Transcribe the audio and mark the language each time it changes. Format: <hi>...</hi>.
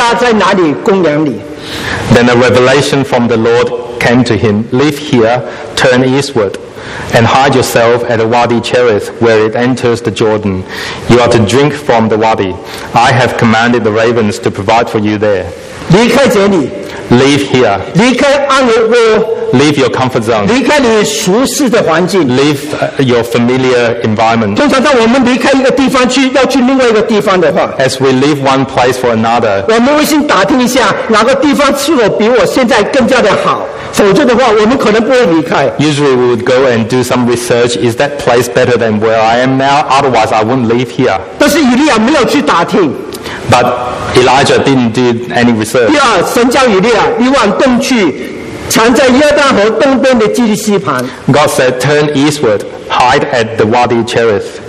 <zh>耶和华的话临到以利亚说：“你离开这里，往东去，藏在约旦河东边的基利西盘。你要喝拿西里的水，我也吩咐乌鸦在哪里供养你。”</zh> <en>Then a revelation from the Lord came to him: "Leave here, turn eastward, and hide yourself at the Wadi Cherith, where it enters the Jordan. You are to drink from the Wadi. I have commanded the ravens to provide for you there."</en> <zh>离开这里。</zh> <en>Leave here.</en> <zh>离开安乐窝,</zh> <en>leave your comfort zone.</en> <zh>离开你熟悉的环境,</zh> <en>leave your familiar environment.</en> <zh>通常当我们离开一个地方去, 要去另外一个地方的话,</zh> <en>as we leave one place for another,</en> <zh>我们微信打听一下, 哪个地方是否比我现在更加的好, 否则的话, 我们可能不会离开。</zh> <en>Usually we would go and do some research. Is that place better than where I am now? Otherwise I wouldn't leave here.</en> <zh>但是以利亚没有去打听。</zh> <en>But Elijah didn't do any research.</en> <zh>第二，神叫以利亚，你往东去，藏在约旦河东边的基利西盘。</zh> <en>God said, "Turn eastward, hide at the Wadi Cherith."</en>